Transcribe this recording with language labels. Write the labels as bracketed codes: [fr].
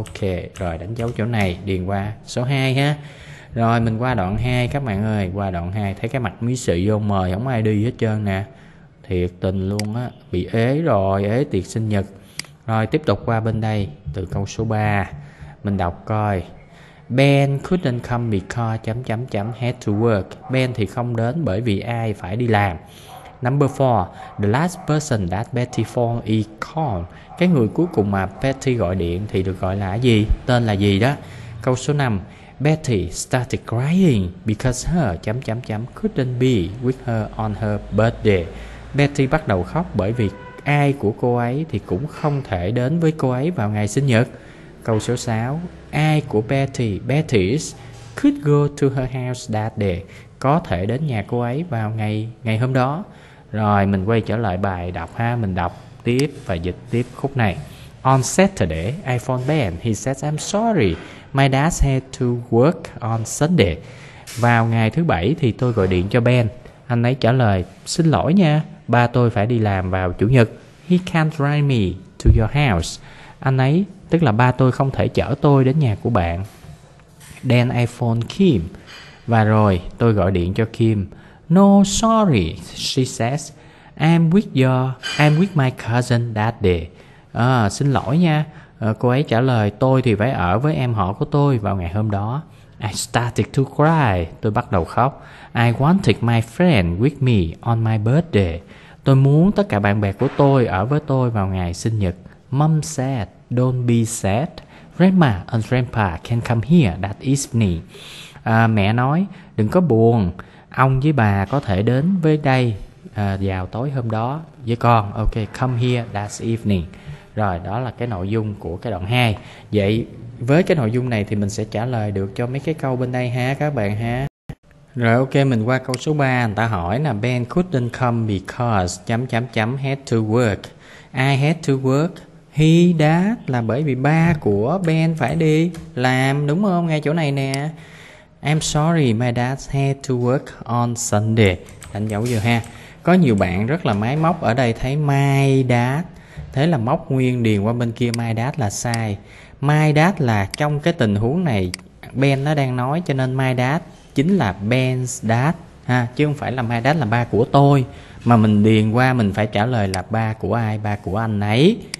[vi] Ok, rồi đánh dấu chỗ này, điền qua số 2 ha. Rồi mình qua đoạn 2 các bạn ơi. Qua đoạn 2 thấy cái mặt mí sự vô mời, không ai đi hết trơn nè. Thiệt tình luôn á, bị ế rồi, ế tiệc sinh nhật. Rồi tiếp tục qua bên đây, từ câu số 3. Mình đọc coi. [en] Ben couldn't come because [vi] chấm chấm chấm [en] had to work. [vi] Ben thì không đến bởi vì ai phải đi làm. [en] Number 4. The last person that Betty phone is called. [vi] Cái người cuối cùng mà Betty gọi điện thì được gọi là gì? Tên là gì đó? Câu số 5. [en] Betty started crying because her [vi] chấm chấm chấm [en] couldn't be with her on her birthday. [vi] Betty bắt đầu khóc bởi vì ai của cô ấy thì cũng không thể đến với cô ấy vào ngày sinh nhật. Câu số 6. Ai của [en] Betty, Betty's, could go to her house that day. [vi] Có thể đến nhà cô ấy vào ngày ngày hôm đó. Rồi mình quay trở lại bài đọc ha. Mình đọc tiếp và dịch tiếp khúc này. [en] On Saturday, I phoned Ben. He said, I'm sorry. My dad had to work on Sunday. [vi] Vào ngày thứ bảy thì tôi gọi điện cho Ben. Anh ấy trả lời, xin lỗi nha. Ba tôi phải đi làm vào chủ nhật. [en] He can't drive me to your house. [vi] Anh ấy, tức là ba tôi không thể chở tôi đến nhà của bạn. [en] Then I phone Kim. [vi] Và rồi tôi gọi điện cho Kim. [en] No sorry, she says. I'm with my cousin that day. [vi] À, xin lỗi nha. À, cô ấy trả lời, tôi thì phải ở với em họ của tôi vào ngày hôm đó. [en] I started to cry. [vi] Tôi bắt đầu khóc. [en] I wanted my friend with me on my birthday. [vi] Tôi muốn tất cả bạn bè của tôi ở với tôi vào ngày sinh nhật. [en] Mom said, don't be sad. Grandma and grandpa can come here that evening. [vi] À, mẹ nói, đừng có buồn. Ông với bà có thể đến với đây vào tối hôm đó với con. [en] Ok, come here that evening. [vi] Rồi, đó là cái nội dung của cái đoạn 2. Vậy với cái nội dung này thì mình sẽ trả lời được cho mấy cái câu bên đây ha các bạn ha. Rồi ok, mình qua câu số 3. Người ta hỏi là [en] Ben couldn't come because chấm chấm chấm had to work. [vi] I had to work. [en] He dad [vi] là bởi vì ba của Ben phải đi làm, đúng không? Ngay chỗ này nè. [en] I'm sorry, my dad had to work on Sunday. [vi] Đánh dấu vừa ha. Có nhiều bạn rất là máy móc ở đây thấy my dad. Thế là móc nguyên điền qua bên kia my dad là sai. My dad là trong cái tình huống này Ben nó đang nói, cho nên my dad chính là Ben's dad ha, chứ không phải là my dad là ba của tôi. Mà mình điền qua mình phải trả lời là ba của ai, ba của anh ấy.